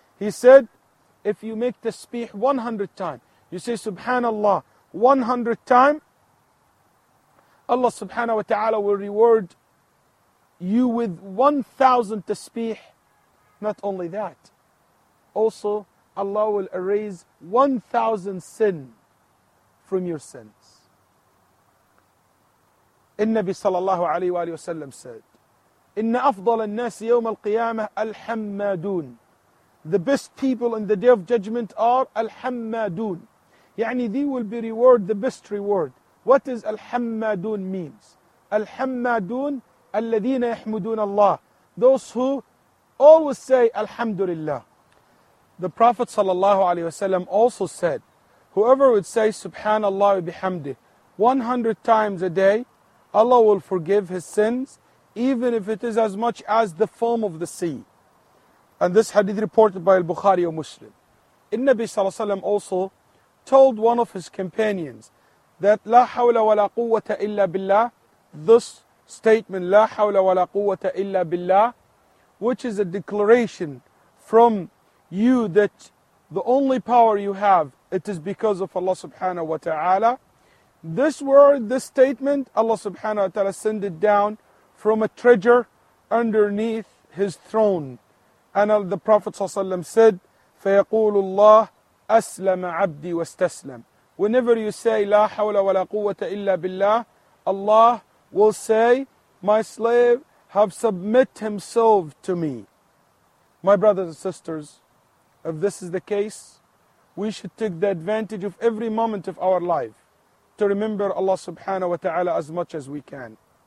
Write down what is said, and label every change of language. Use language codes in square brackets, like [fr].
[en] He said, if you make tasbih 100 times, you say Subhanallah 100 times, Allah subhanahu wa ta'ala will reward you with 1,000 tasbih. Not only that, also Allah will erase 1,000 sin from your sins. [ar] النبي صلى الله عليه وآله وسلم [en] said, [ar] إن أفضل الناس يوم القيامة الحمادون. [en] The best people in the day of judgment are الحمادون. يعني they will be reward the best reward. What is الحمادون means? [ar] الحمادون الذين يحمدون الله. [en] Those who always say الحمد لله. The Prophet صلى الله عليه وسلم also said, whoever would say [ar] سبحان الله وبحمده [en] 100 times a day, Allah will forgive his sins, even if it is as much as the foam of the sea. And this hadith reported by Al-Bukhari or Muslim. Nabi sallallahu alayhi wa sallam also told one of his companions that [ar] لا حول ولا قوة إلا بالله. [en] This statement, [ar] لا حول ولا قوة إلا بالله, [en] which is a declaration from you that the only power you have, it is because of Allah subhanahu wa ta'ala. This word, this statement, Allah subhanahu wa ta'ala send it down from a treasure underneath his throne. And the Prophet said, [ar] فَيَقُولُ اللَّهُ أَسْلَمَ عَبْدِي وَاسْتَسْلَمَ. [en] Whenever you say, [ar] لَا حَوْلَ وَلَا قُوَّةَ إِلَّا بِاللَّهِ, [en] Allah will say, my slave have submit himself to me. My brothers and sisters, if this is the case, we should take the advantage of every moment of our life to remember Allah subhanahu wa ta'ala as much as we can.